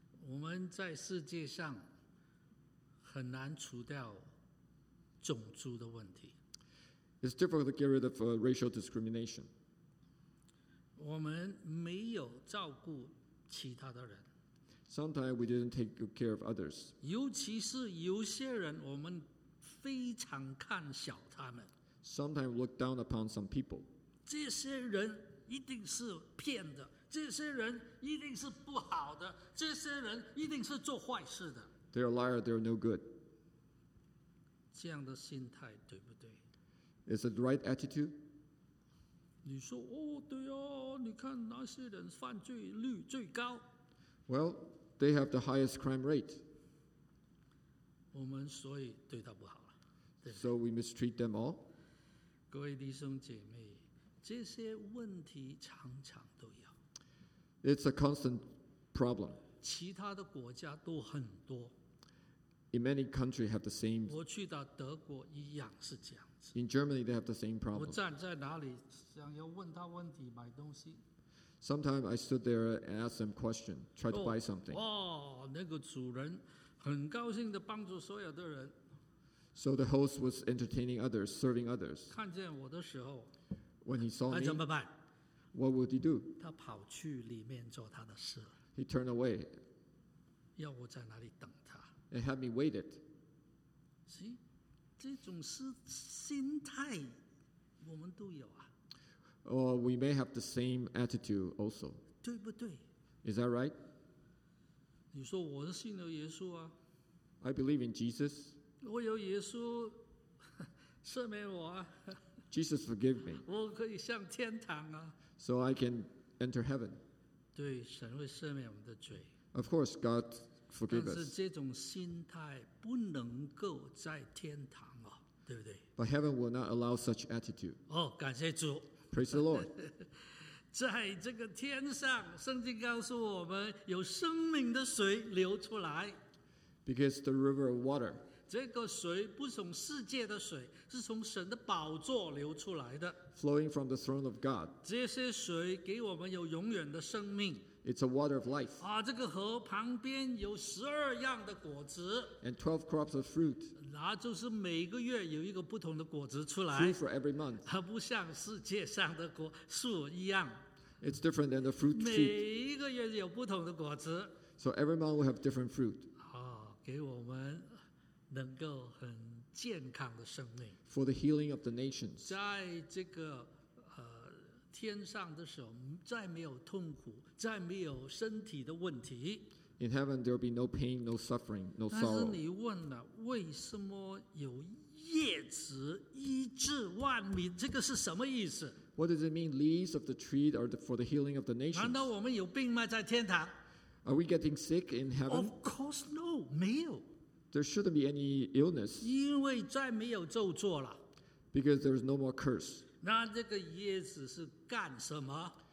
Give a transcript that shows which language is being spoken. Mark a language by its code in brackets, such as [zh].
[zh] 我们在世界上很难除掉种族的问题。 [en] It's difficult to get rid of racial discrimination. [zh] 我们没有照顾其他的人。 [en] Sometimes we didn't take good care of others. [zh] 尤其是有些人，我们非常看小他们。 [en] Sometimes we look down upon some people. [zh] 这些人一定是骗的，这些人一定是不好的，这些人一定是做坏事的。 [en] They're a liar. They're no good. [zh] 这样的心态对不对？ [en] Is it the right attitude? [zh] 你说哦，对哦，你看那些人犯罪率最高。 [en] Well, they have the highest crime rate. [zh] 我们所以对他不好了。 [en] So we mistreat them all. [zh] 各位弟兄姐妹，这些问题常常都有。 [en] It's a constant problem. [zh] 其他的国家都很多。 [en] In many countries have the same. [zh] 我去到德国一样是这样子。 [en] In Germany they have the same problem. [zh] 我站在哪里想要问他问题买东西。 [en] Sometimes I stood there and asked them question, try to buy something. [zh] 哦，那个主人很高兴地帮助所有的人。 [en] So the host was entertaining others, serving others. [zh] 看见我的时候。 [en] When he saw me, what would he do? [zh] 他跑去里面做他的事。 [en] He turned away. [zh] 要我在哪里等他。 [en] And had me waited. See, [zh] 这种心态我们都有啊。 [en] Or we may have the same attitude also. [zh] 对不对？ [en] Is that right? [zh] 你说我是信了耶稣啊。 [en] I believe in Jesus. [zh] 我有耶稣赦免我啊。 [en] Jesus forgive me. [zh] 我可以上天堂啊。 [en] So I can enter heaven. [zh] 对，神会赦免我们的罪。 [en] Of course, God forgive us. [zh] 但是这种心态不能够在天堂啊，对不对？ [en] But heaven will not allow such attitude. [zh] 哦，感谢主。 [en] Praise the Lord. [zh] 在这个天上，圣经告诉我们有生命的水流出来。 [en] Because the river of water. [zh] 这个水不是从世界的水，是从神的宝座流出来的。 [en] Flowing from the throne of God. [zh] 这些水给我们有永远的生命。 [en] It's a water of life. [zh] 啊，这个河旁边有十二样的果子。 [en] And 12 crops of fruit. [zh] 那就是每个月有一个不同的果子出来。 [en] Fruit for every month. [zh] 它不像世界上的果树一样。 [en] It's different than the fruit tree. [zh] 每一个月有不同的果子。 [en] So every month will have different fruit. [zh] 啊，给我们能够很健康的生命。 [en] For the healing of the nations. [zh] 在这个天上的时候，再没有痛苦，再没有身体的问题。 [en] In heaven, there will be no pain, no suffering, no sorrow. [zh] 但是你问了，为什么有叶子医治万民？这个是什么意思？ [en] What does it mean? Leaves of the tree are for the healing of the nations. [zh] 难道我们有病吗？在天堂？ [en] Are we getting sick in heaven? Of course, no. [zh] 没有。 [en] There shouldn't be any illness. [zh] 因为再没有咒诅了。 [en] Because there is no more curse. [zh] 那这个叶子是干什么？